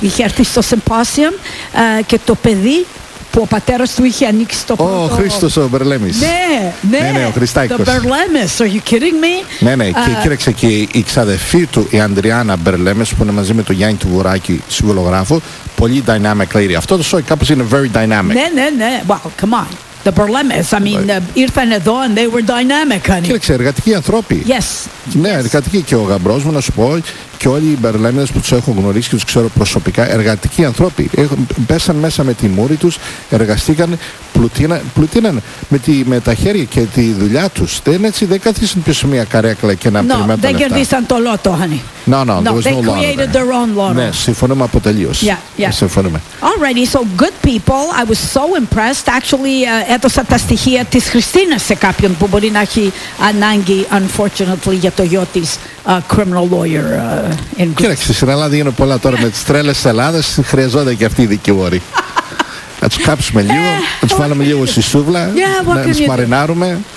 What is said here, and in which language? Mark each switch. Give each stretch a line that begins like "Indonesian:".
Greek: Είχε έρθει στο symposium και το παιδί που ο πατέρας του είχε ανοίξει το πρώτο. Ο Χρήστος ο Μπερλέμης. Ναι, ο Χριστάκος.
English: Ο Μπερλέμης, are you kidding me?
Greek: Ναι, ναι, και κοίταξε και η ξαδερφή του, η Ανδριάνα Μπερλέμης, που είναι μαζί με τον Γιάννη του Βουράκη, συμβουλογράφου. Πολύ
English: dynamic lady.
Greek: Αυτό το show κάπως είναι
English: very dynamic.
Greek: Ναι, ναι, ναι.
English: Well, come on. The Berlemis, I mean,
Greek: ήρθαν εδώ
English: and they were dynamic, honey.
Greek: Κοίταξε, εργατικοί άνθρωποι.
English: Yes.
Greek: Ναι, εργατικοί και ο γαμπρός μου, να σου πω, και όλοι οι Berlemis που τους έχω γνωρίσει και τους ξέρω προσωπικά, εργατικοί άνθρωποι. Πέσαν μέσα με τη μούρη τους, εργαστήκαν, πλουτίναν με τα χέρια και τη δουλειά τους. Δεν έτσι, δεν καθίσαν πίσω μια καρέκλα και να περιμένουν λεφτά. Δεν κερδίσαν το λότο, honey.
English: No, they created their own lotto.
Greek: Ναι, συμφωνούμε από τελείως.
English: Yeah.
Greek: Συμφωνούμε.
English: Alrighty, so good people, I was so impressed.
Greek: Actually, έδωσα τα στοιχεία της Χριστίνας σε κάποιον που μπορεί να έχει ανάγκη, unfortunately, για το γιο της
English: criminal lawyer in Greece.
Greek: Κοίταξε, στην Ελλάδα γίνονται πολλά τώρα με τις τρέλες της Ελλάδας, χρειαζόταν και αυτοί οι δικηγόροι. Να τους κάψουμε λίγο, να τους βάλουμε λίγο στη σούβλα, να τους μαρινάρουμε.